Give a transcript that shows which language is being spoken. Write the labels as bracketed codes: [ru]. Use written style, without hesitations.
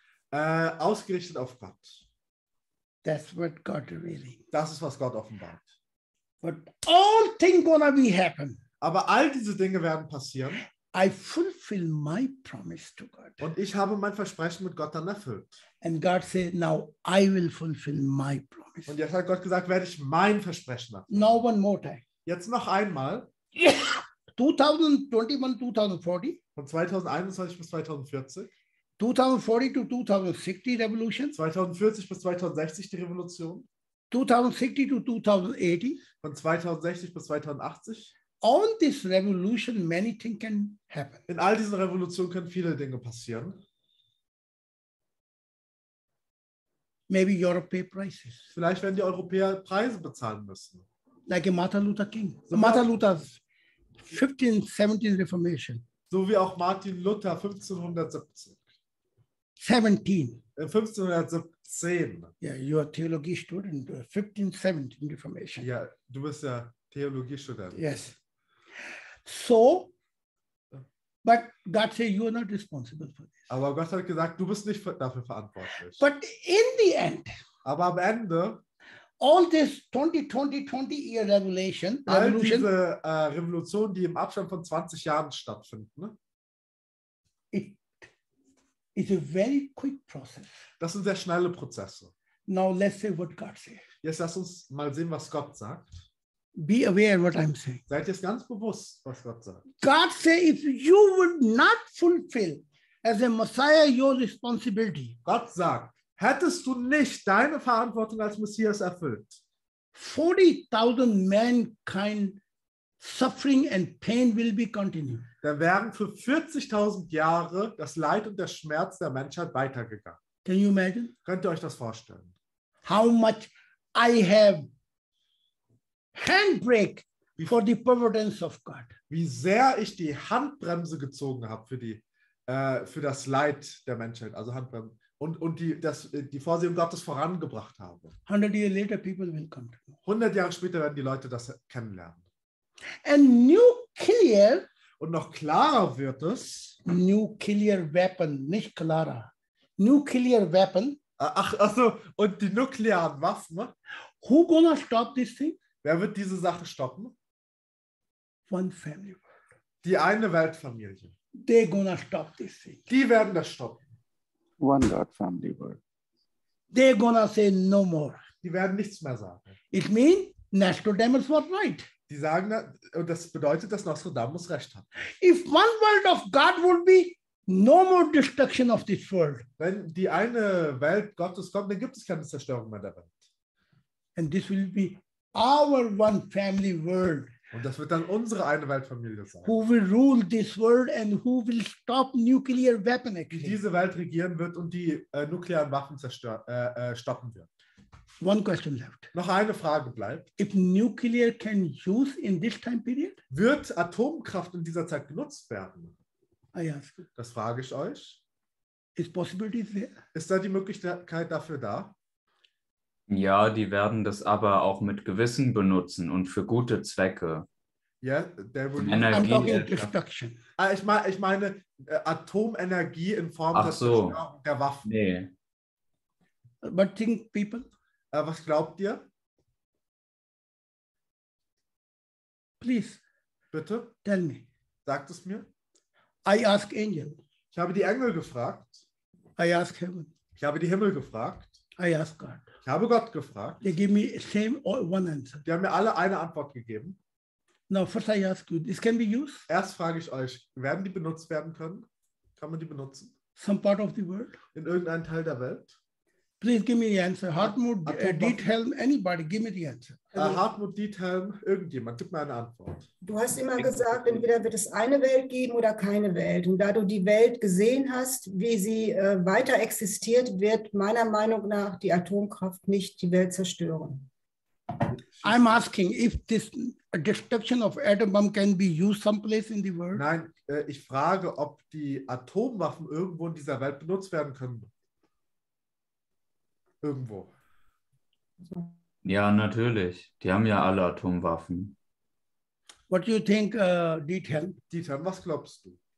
[de] Ausgerichtet auf Gott. [en] That's what God really. [de] Das ist, was Gott offenbart. [en] But all things gonna be happen. [de] Aber all diese Dinge werden passieren. [en] I fulfill my promise to God. [de] Und ich habe mein Versprechen mit Gott dann erfüllt. [en] And God said, now I will fulfill my promise. [de] Und jetzt hat Gott gesagt, werde ich mein Versprechen erfüllen. [en] Now one more time. [de] Jetzt noch einmal. [en] 2021-2040. [de] Von 2021 bis 2040. [en] 2040 to 2060 revolution. [de] 2040 bis 2060 die Revolution. [en] 2060 to 2080. [de] Von 2060 bis 2080. [en] On this revolution, many things can happen. [de] In all diesen Revolutionen können viele Dinge passieren. [en] Maybe European prices. [de] Vielleicht werden die Europäer Preise bezahlen müssen. [en] Like a Martin Luther King. So Martin Luther's 1517 Reformation. [de] So wie auch Martin Luther 1517. [en] 17. [de] 1517. [en] Yeah, you are theology student. 1517 Reformation. [de] Ja, du bist ja Theologiestudent. [en] Yes. So, but God said you are not responsible for this. [de] Aber Gott hat gesagt, du bist nicht dafür verantwortlich. [en] But in the end. [de] Aber am Ende. [en] All this 20-year revelation. [de] All diese Revolutionen, die im Abstand von 20 Jahren stattfinden. [en] It is a very quick process. [de] Das sind sehr schnelle Prozesse. [en] Now let's say what God said. [de] Jetzt lass uns mal sehen, was Gott sagt. [en] Be aware of what I'm saying. [de] Seid jetzt ganz bewusst, was Gott sagt. [en] God say, if you would not fulfill as a Messiah your responsibility. [de] Gott sagt, hättest du nicht deine Verantwortung als Messias erfüllt. [en] 40,000 mankind suffering and pain will be continued. [de] Dann wären für 40,000 Jahre das Leid und der Schmerz der Menschheit weitergegangen. [en] Can you imagine? [de] Könnt ihr euch das vorstellen? [en] How much I have handbrake for the providence of God. [de] Wie sehr ich die Handbremse gezogen habe für das Leid der Menschheit, also Handbremse und die Vorsehung Gottes vorangebracht habe. [en] 100 years later people will come. [de] 100 Jahre später werden die Leute das kennenlernen. [en] And nuclear. [de] Und noch klarer wird es. [en] Nuclear weapon, [de] nicht klarer. [en] Nuclear weapon. [de] Ach so, und die nuklearen Waffen. [en] Who gonna stop this thing? [de] Wer wird diese Sache stoppen? [en] One family. [de] Die eine Weltfamilie. [en] They're gonna stop this thing. [de] Die werden das stoppen. [en] One God family world. They're gonna say no more. [de] Die werden nichts mehr sagen. [en] It means Nostradamus was right. [de] Die sagen, und das bedeutet, dass Nostradamus recht hat. [en] If one world of God would be no more destruction of this world. [de] Wenn die eine Welt Gottes kommt, dann gibt es keine Zerstörung mehr der Welt. [en] And this will be our one family world. [de] Und das wird dann unsere eine Weltfamilie sein. [en] Who will rule this world and who will stop nuclear weapon activity? [de] Die diese Welt regieren wird und die nuklearen Waffen stoppen wird. [en] One question left. [de] Noch eine Frage bleibt. [en] If nuclear can use in this time period? [de] Wird Atomkraft in dieser Zeit genutzt werden? [en] I ask. [de] Das frage ich euch. [en] Is possibility there? [de] Ist da die Möglichkeit dafür da? Ja, die werden das aber auch mit Gewissen benutzen und für gute Zwecke. Ja, der würde Energie. Ich meine Atomenergie in Form der Waffen. Nee. [en] What think people? [de] Was glaubt ihr? [en] Please. [de] Bitte? [en] Tell me. [de] Sagt es mir. [en] I ask Angel. [de] Ich habe die Engel gefragt. [en] I ask heaven. [de] Ich habe die Himmel gefragt. [en] I ask God. [de] Ich habe Gott gefragt. [en] They give me same one answer. [de] Die haben mir alle eine Antwort gegeben. [en] Now first I ask you, this can be used? [de] Erst frage ich euch, werden die benutzt werden können? Kann man die benutzen? [en] Some part of the world? [de] In irgendeinem Teil der Welt? [en] Please give me the answer. Hartmut, Diethelm, anybody, give me the answer. [de] Hartmut, Diethelm, irgendjemand, gib mir eine Antwort. Du hast immer gesagt, entweder wird es eine Welt geben oder keine Welt. Und da du die Welt gesehen hast, wie sie weiter existiert, wird meiner Meinung nach die Atomkraft nicht die Welt zerstören. [en] I'm asking if this destruction of atom bomb can be used someplace in the world. [de] Nein, ich frage, ob die Atomwaffen irgendwo in dieser Welt benutzt werden können. Irgendwo. Ja, natürlich. Die haben ja alle Atomwaffen. [en] What do you think, Dieter? [de] Dieter, was glaubst du?